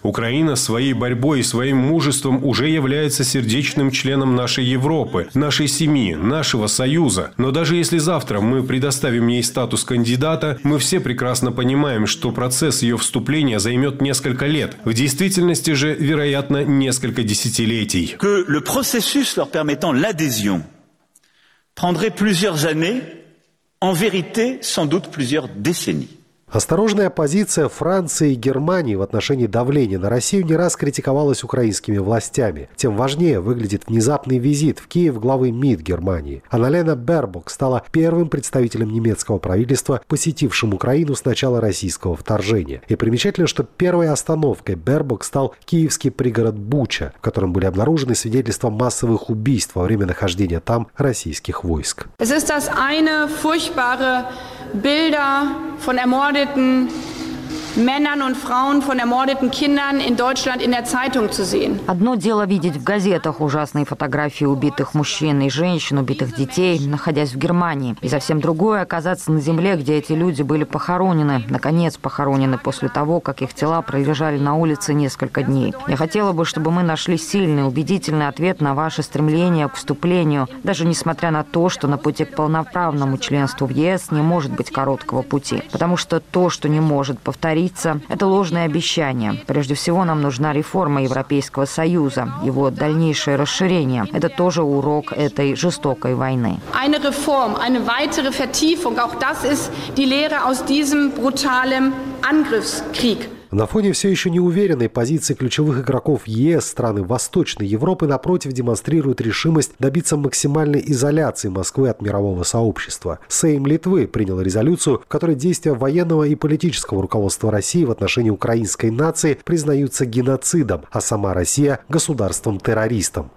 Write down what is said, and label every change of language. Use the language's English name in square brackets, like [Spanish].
[Russian] Украина своей борьбой и своим мужеством уже является сердечным членом нашей Европы, нашей семьи, нашего союза. Но даже если завтра мы предоставим ей статус кандидата, мы все прекрасно понимаем, что процесс ее вступления займет несколько лет. В действительности же, вероятно, несколько десятилетий. [French] Que le processus leur permettant l'adhésion prendrait plusieurs années, en vérité, sans doute plusieurs décennies. [Russian] Осторожная позиция Франции и Германии в отношении давления на Россию не раз критиковалась украинскими властями. Тем важнее выглядит внезапный визит в Киев главы МИД Германии. Аннелена Бербок стала первым представителем немецкого правительства, посетившим Украину с начала российского вторжения. И примечательно, что первой остановкой Бербок стал киевский пригород Буча, в котором были обнаружены свидетельства массовых убийств во время нахождения там российских войск. [German] Es ist das eine furchtbare Bilder von ermordeten Männern und Frauen, von ermordeten Kindern in Deutschland in der Zeitung zu sehen. [Russian] Одно дело видеть в газетах ужасные фотографии убитых мужчин и женщин, убитых детей, находясь в Германии. И совсем другое оказаться на земле, где эти люди были похоронены, наконец похоронены после того, как их тела пролежали на улице несколько дней. Я хотела бы, чтобы мы нашли сильный, убедительный ответ на ваше стремление к вступлению, даже несмотря на то, что на пути к полноправному членству в ЕС не может быть короткого пути. Потому что то, что не может повторить это ложное обещание. Прежде всего, нам нужна реформа Европейского Союза, его дальнейшее расширение. Это тоже урок этой жестокой войны. [German] Eine Reform, eine weitere Vertiefung, auch das ist die Lehre aus diesem brutalen Angriffskrieg. [Russian] На фоне все еще неуверенной позиции ключевых игроков ЕС страны Восточной Европы, напротив, демонстрируют решимость добиться максимальной изоляции Москвы от мирового сообщества. Сейм Литвы принял резолюцию, в которой действия военного и политического руководства России в отношении украинской нации признаются геноцидом, а сама Россия – государством-террористом.